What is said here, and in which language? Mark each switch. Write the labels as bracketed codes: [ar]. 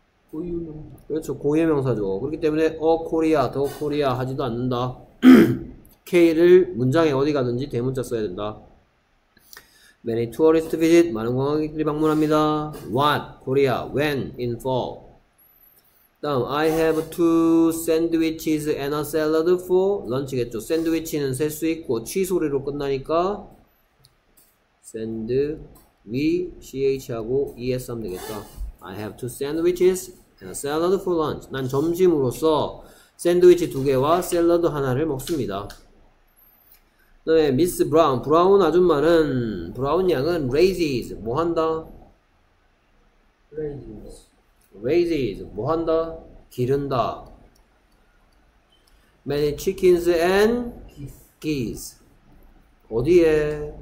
[ko] 고유명사. 그렇죠. 고유명사죠. 그렇기 때문에 어 코리아 더 코리아 하지도 않는다. K를 문장에 어디 가든지 대문자 써야 된다. [en] Many tourists visit. [ko] 많은 관광객들이 방문합니다. [en] What? Korea. When? In fall. 다음, I have two sandwiches and a salad for lunch겠죠. [ko] 샌드위치는 셀 수 있고, 취소리로 끝나니까 send, we, ch하고 es하면 되겠다. [en] I have two sandwiches and a salad for lunch. [ko] 난 점심으로서 샌드위치 두 개와 샐러드 하나를 먹습니다. 그 다음에 미스 브라운, 브라운 아줌마는 브라운 양은 raises 뭐한다? [en] raises [ko] 뭐한다? 기른다. [en] many chickens and geese [ko] 어디에?